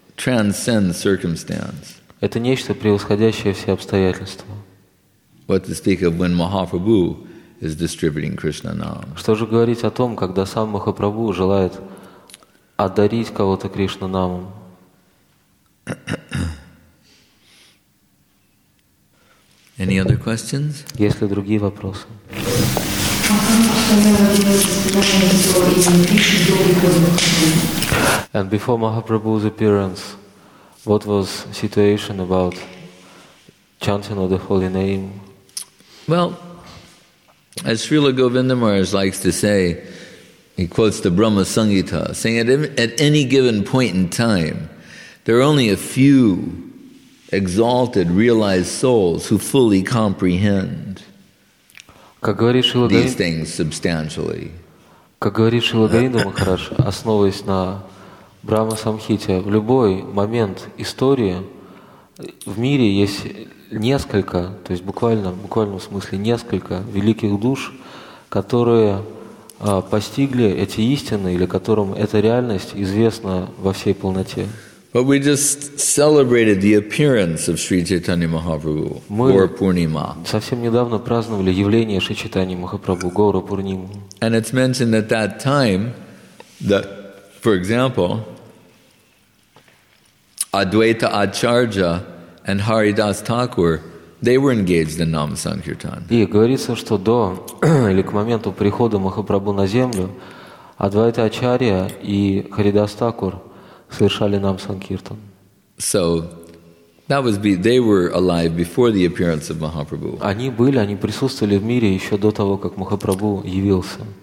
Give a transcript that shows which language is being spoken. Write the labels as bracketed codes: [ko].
[en] Transcend circumstance. [ru] Это нечто превосходящее все обстоятельства. [en] What to speak of when Mahaprabhu is distributing Krishna Nam? [ru] Что же говорить о том, когда сам Махапрабху желает одарить кого-то Кришна Намом? [en] Any other questions? [ru] Есть ли другие вопросы? [en] And before Mahaprabhu's appearance, what was the situation about chanting of the holy name? Well, as Srila Govinda Maharaj likes to say, he quotes the Brahma Sangita, saying at any given point in time, there are only a few exalted, realized souls who fully comprehend these things substantially. [ru] Как говорит Шрила Говинда Махарадж, основываясь на Брахма Самхите, в любой момент истории в мире есть несколько, то есть буквально, в буквальном смысле несколько великих душ, которые постигли эти истины или которым эта реальность известна во всей полноте. [en] But we just celebrated the appearance of Sri Chaitanya Mahaprabhu, Gaura Purnima. [ru] Совсем недавно праздновали явление Шри Чайтаньи Махапрабху, Гаура Пурнима. [en] And it's mentioned at that time that, for example, Advaita Acharya and Haridas Thakur, they were engaged in Nama Sankirtan. [ru] И говорится, что до или к моменту прихода Махапрабху на землю, Адвайта Ачарья и Харидас Такур совершали нам санкиртан. [en] So that was they were alive before the appearance of Mahaprabhu. [ru] Они были, они присутствовали в мире еще до того, как Махапрабху явился.